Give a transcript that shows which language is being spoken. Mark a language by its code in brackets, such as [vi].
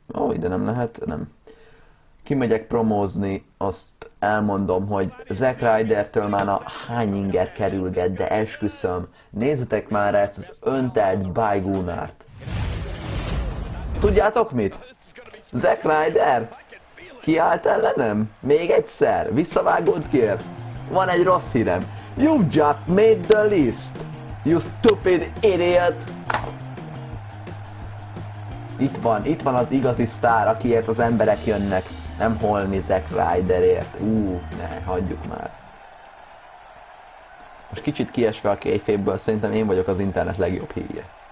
[hu] Ó, ide nem lehet, nem. Kimegyek promózni, azt elmondom, hogy Zack Rydertől már a hány inger kerülget, de esküszöm, nézzetek már ezt az öntelt bajgúnárt. Tudjátok mit? Zack Ryder kiállt ellenem? Még egyszer? Visszavágod, kér? Van egy rossz hírem. [en] You just made the list, you stupid idiot! [hu] Itt van az igazi sztár, akiért az emberek jönnek. Nem holni Zack Ryderért. Ne, hagyjuk már. Most kicsit kiesve a kayfabe-ből, szerintem én vagyok az internet legjobb híje.